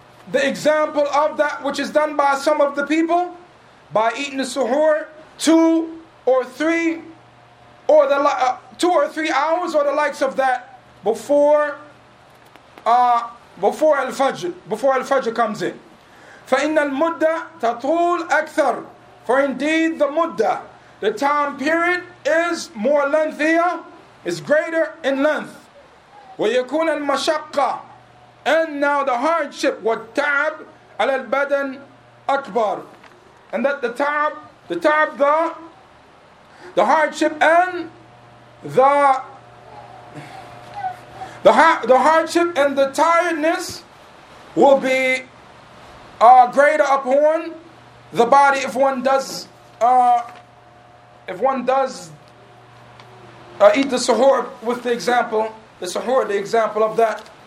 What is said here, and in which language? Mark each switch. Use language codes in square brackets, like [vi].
[en] The example of that which is done by some of the people by eating the suhoor two or three hours or the likes of that before al-fajr comes in. [ar] فَإِنَّ الْمُدَّةَ تَطُولُ أَكْثَرُ. [en] For indeed the muddah, the time period, is more lengthier, is greater in length. [ar] وَيَكُونَ الْمَشَقَّةُ. [en] And now the hardship, [ar] والتعب على البدن أكبر. [en] And that the hardship and the tiredness will be greater upon the body if one does eat the suhoor with the example of that.